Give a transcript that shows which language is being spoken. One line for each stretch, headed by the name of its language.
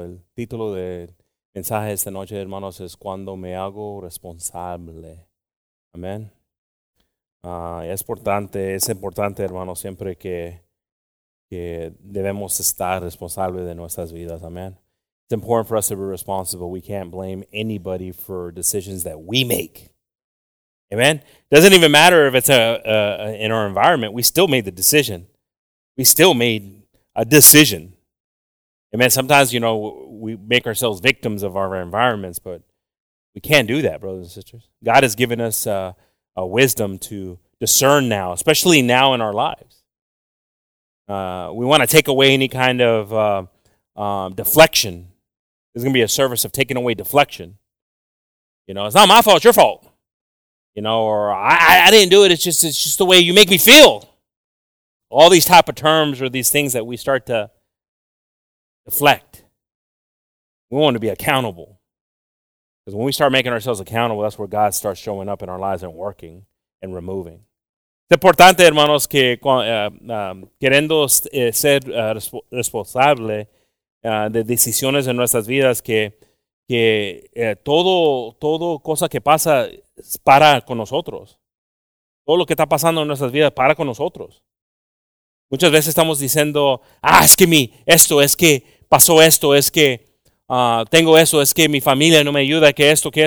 Spanish: El título de mensaje esta noche, hermanos, es cuando me hago responsable. Amén. Es importante, hermanos, siempre que debemos estar responsables de nuestras vidas.
English: Amén. It's important for us to be responsible. We can't blame anybody for decisions that we make. Amén. Doesn't even matter if it's in our environment. We still made the decision. We still made a decision. Amen. Sometimes, you know, we make ourselves victims of our environments, but we can't do that, brothers and sisters. God has given us a wisdom to discern now, especially now in our lives. We want to take away any kind of deflection. There's going to be a service of taking away deflection. You know, it's not my fault, it's your fault. You know, or I didn't do it, it's just the way you make me feel. All these type of terms or these things that we start to deflect. We want to be accountable. Because when we start making ourselves accountable, that's where God starts showing up in our lives and working and removing.
Spanish: Es importante, hermanos, que queriendo ser responsable de decisiones en nuestras vidas, que todo cosa que pasa para con nosotros. Todo lo que está pasando en nuestras vidas para con nosotros. Muchas veces estamos diciendo, pasó esto, es que tengo eso, es que mi familia no me ayuda, que esto.